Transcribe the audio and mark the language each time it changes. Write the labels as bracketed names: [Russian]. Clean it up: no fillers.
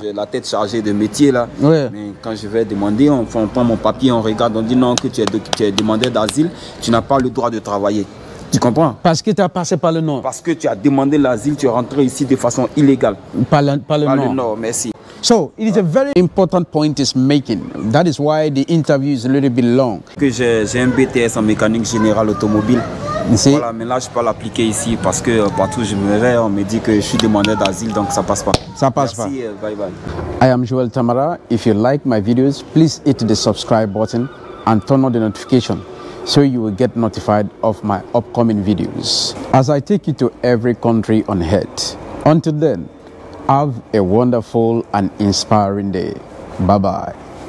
[French] J'ai la tête chargée de métier là. Ouais. Mais quand je vais demander, on prend mon papier, on regarde, on dit non, que tu es demandeur d'asile, tu n'as pas le droit de travailler. Tu comprends? Parce que tu as passé par le nord. Parce que tu as demandé l'asile, tu es rentré ici de façon illégale. Par le nord, merci. [English] So, it is a very important point is making. That is why the interview is a little bit long. [French] Que j'ai un BTS en mécanique générale automobile. Voilà, mais là, je ne peux pas l'appliquer ici parce que partout où je me vais, on me dit que je suis demandeur d'asile, donc ça ne passe pas. Ça passe pas. Merci, bye-bye. [English] I am Joel Tamara. If you like my videos, please hit the subscribe button and turn on the notification so you will get notified of my upcoming videos as I take you to every country on Earth. Until then, have a wonderful and inspiring day. Bye-bye.